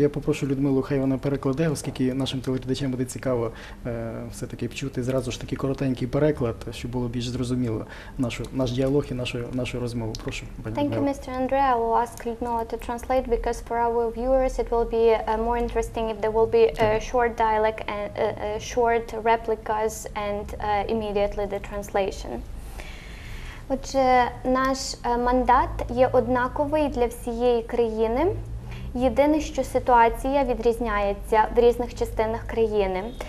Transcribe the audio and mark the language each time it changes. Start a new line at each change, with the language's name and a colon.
Ukrainian: Я попрошу Людмилу, хай вона перекладе, оскільки нашим телеглядачам буде цікаво все-таки почути зразу ж такий коротенький переклад, щоб було більш зрозуміло наш діалог і нашу розмову. Прошу, пані Людмила.
English: Thank you, Mr. Andrea. I will ask Людмила to translate, because for our viewers it will be more interesting if there will be a short dialogue and short replicas and immediately the translation.
Ukrainian: Отже, наш мандат є однаковий для всієї країни. Єдине, що ситуація відрізняється в різних частинах країни.